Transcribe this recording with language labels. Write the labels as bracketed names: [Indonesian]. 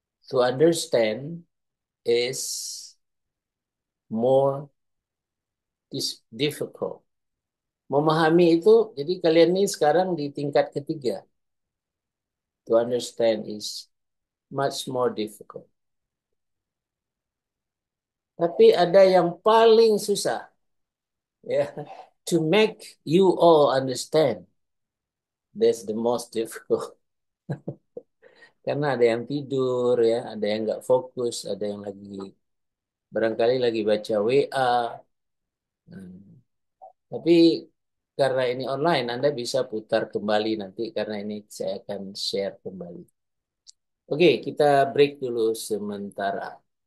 [English] To understand is more is difficult. [Indonesian] Memahami itu, jadi kalian ini sekarang di tingkat ketiga. [English] To understand is much more difficult. [Indonesian] Tapi ada yang paling susah. Yeah. [English] To make you all understand. That's the most difficult. [Indonesian] Karena ada yang tidur, ya, ada yang nggak fokus, ada yang lagi barangkali lagi baca WA. Tapi karena ini online, Anda bisa putar kembali nanti karena ini saya akan share kembali. Oke, kita break dulu sementara.